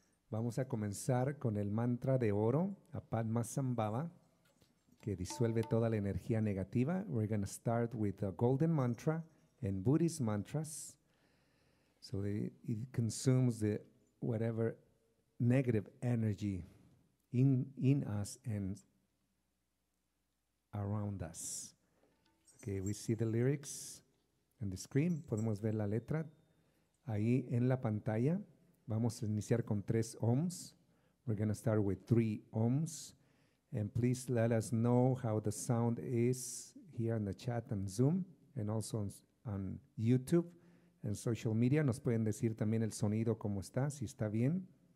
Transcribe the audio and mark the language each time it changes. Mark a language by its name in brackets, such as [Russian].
[Spanish] Vamos a comenzar con el mantra de oro, a Padmasambhava, que disuelve toda la energía negativa. [English] We're going to start with a golden mantra and Buddhist mantras. So it consumes the whatever negative energy in us and around us. Okay, we see the lyrics on the screen. [Spanish] Podemos ver la letra ahí en la pantalla. Vamos a iniciar con tres ohms. [English] We're going to start with three ohms. And please let us know how the sound is here in the chat and Zoom and also on YouTube and social media. [Spanish] Nos pueden decir también el sonido, cómo está, si está bien.